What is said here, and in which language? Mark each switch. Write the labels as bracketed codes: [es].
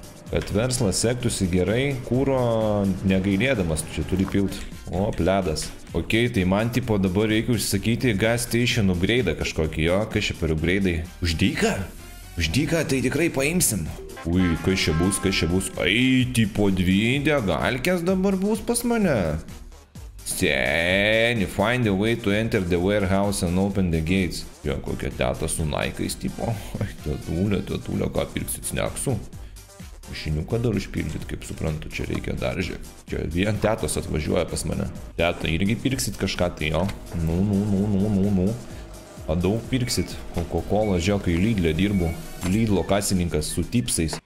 [lt] kad verslas sektųsi gerai, kūro negailėdamas, čia turi pilt, o, pledas, ok, tai man tipo dabar reikia užsisakyti gas station upgrade'ą kažkokį, jo, kas čia per upgrade'ai, uždyka, uždyka, tai tikrai paimsim, ui, kas čia bus, ai, tipo dvi degalkės dabar bus pas mane. Seni, [en] find a way to enter the warehouse and open the gates. [lt] Jo, kokia teta su naikais, tipo, ai, tėtulė, tėtulė, ką pirksit, sneksu. Mašiniuką dar užpildyt, kaip suprantu, čia reikia dar, žiūrėk, čia vien tetos atvažiuoja pas mane. Teta, irgi pirksit kažką, tai jo, nu, nu, nu, nu, nu, nu. A daug pirksit, Coca-Cola, žiūrėk, kai Lidl'e dirbu, Lidl'o kasininkas su tipsais.